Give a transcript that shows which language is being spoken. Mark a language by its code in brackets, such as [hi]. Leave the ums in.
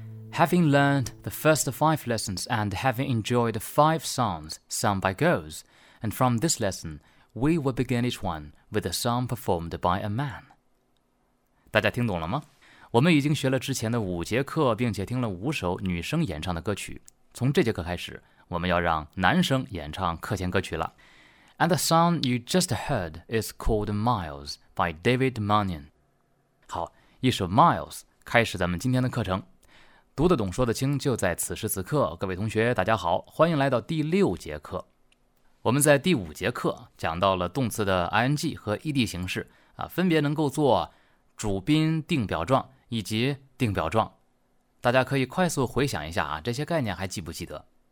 [en] Having learned the first five lessons and having enjoyed five songs sung by girls, and from this lesson, we will begin each one with a song performed by a man. [zh] 大家听懂了吗？我们已经学了之前的五节课，并且听了五首女生演唱的歌曲。从这节课开始，我们要让男生演唱课前歌曲了。 [en] And the song you just heard is called Miles by David Mannion。 [zh] 好，一首 Miles 开始咱们今天的课程。读得懂，说得清，就在此时此刻。各位同学，大家好，欢迎来到第六节课。我们在第五节课讲到了动词的 ing 和 ed 形式啊，分别能够做。主宾定表状以及定表状，大家可以快速回想一下啊，这些概念还记不记得？